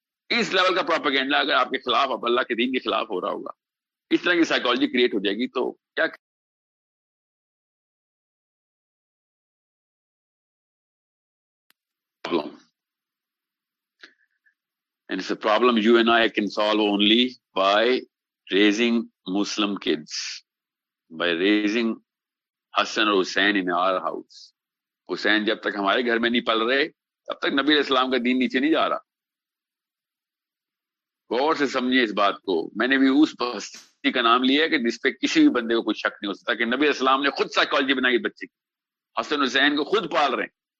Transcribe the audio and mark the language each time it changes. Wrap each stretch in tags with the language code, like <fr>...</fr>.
<ur>اس level کا propaganda اگر آپ کے خلاف, اب اللہ کے دین کے خلاف ہو رہا ہوگا, اس طرح کی سائیکالوجی کریٹ ہو جائے گی تو کیا problem.</ur> <en>And it's a problem you and I can solve only by raising Muslim kids, by raising Hassan or Hussain in our house.</en> <ur>Hussain جب تک ہمارے گھر میں نہیں پل رہے تب تک نبی علیہ السلام کا دین نیچے نہیں جا رہا. غور سے سمجھے اس بات کو, میں نے بھی اس ہستی کا نام لیا ہے کہ جس پہ کسی بھی بندے کو کوئی شک نہیں ہو سکتا کہ نبی علیہ السلام نے خود سائیکالوجی بنائی بچے کی, حسن حسین کو خود پال رہے ہیں.</ur>